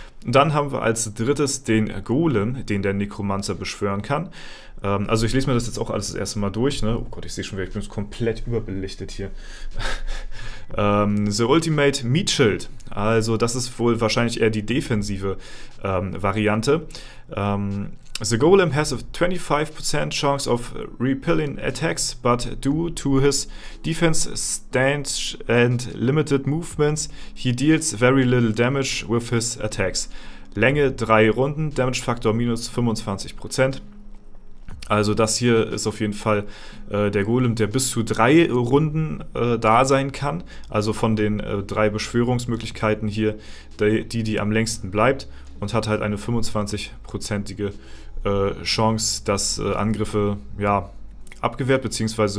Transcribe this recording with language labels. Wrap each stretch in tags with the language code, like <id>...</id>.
<de>Und dann haben wir als drittes den Golem, den der Necromancer beschwören kann. Also ich lese mir das jetzt auch alles das erste Mal durch. Ne? Oh Gott, ich sehe schon wieder, ich bin komplett überbelichtet hier.</de> <en>The Ultimate Meat Shield.</en> <de>Also das ist wohl wahrscheinlich eher die defensive Variante.</de> <en>The Golem has a 25% chance of repelling attacks, but due to his defense stance and limited movements, he deals very little damage with his attacks.</en> <de>Länge 3 Runden, Damage Factor minus 25%. Also das hier ist auf jeden Fall der Golem, der bis zu 3 Runden da sein kann. Also von den 3 Beschwörungsmöglichkeiten hier, die am längsten bleibt und hat halt eine 25%ige Chance, dass Angriffe abgewehrt bzw.</de>